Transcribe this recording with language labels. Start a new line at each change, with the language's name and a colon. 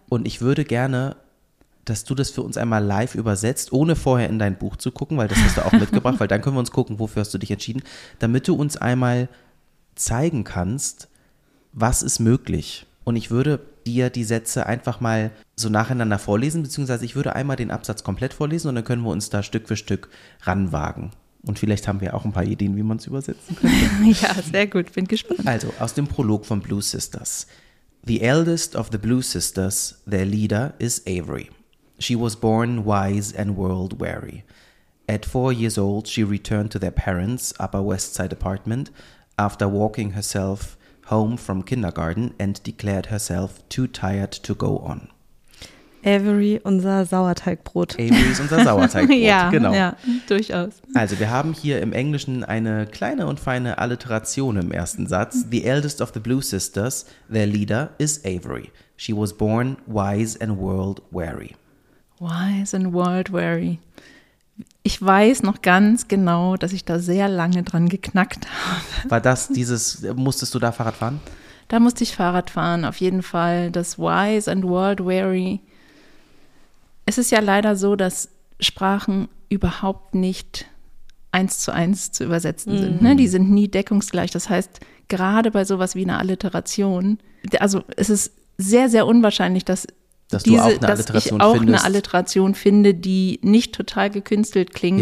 German: Und ich würde gerne, dass du das für uns einmal live übersetzt, ohne vorher in dein Buch zu gucken, weil das hast du auch mitgebracht, weil dann können wir uns gucken, wofür hast du dich entschieden, damit du uns einmal zeigen kannst, was ist möglich. Und ich würde dir die Sätze einfach mal so nacheinander vorlesen, beziehungsweise ich würde einmal den Absatz komplett vorlesen und dann können wir uns da Stück für Stück ranwagen. Und vielleicht haben wir auch ein paar Ideen, wie man es übersetzen könnte. Ja, sehr gut, bin gespannt. Also, aus dem Prolog von Blue Sisters.
English: The eldest of the Blue Sisters, their leader, is Avery. She was born wise and world-weary. At 4 years old, she returned to their parents' Upper West Side apartment after walking herself home from kindergarten and declared herself too tired to go on.
German: Avery, unser Sauerteigbrot. Avery ist unser Sauerteigbrot, ja, genau. Ja, durchaus. Also wir haben hier im Englischen eine kleine und feine Alliteration im ersten Satz.
English: The eldest of the Blue Sisters, their leader, is Avery. She was born wise and world weary. Wise and world weary.
German: Ich weiß noch ganz genau, dass ich da sehr lange dran geknackt habe. War das dieses, musstest du da Fahrrad fahren? Da musste ich Fahrrad fahren, auf jeden Fall. Das
English: wise and world weary.
German: Es ist ja leider so, dass Sprachen überhaupt nicht eins zu eins zu übersetzen sind. Ne? Die sind nie deckungsgleich. Das heißt, gerade bei sowas wie einer Alliteration, also es ist sehr, sehr unwahrscheinlich, dass ich auch eine Alliteration finde, die nicht total gekünstelt klingt,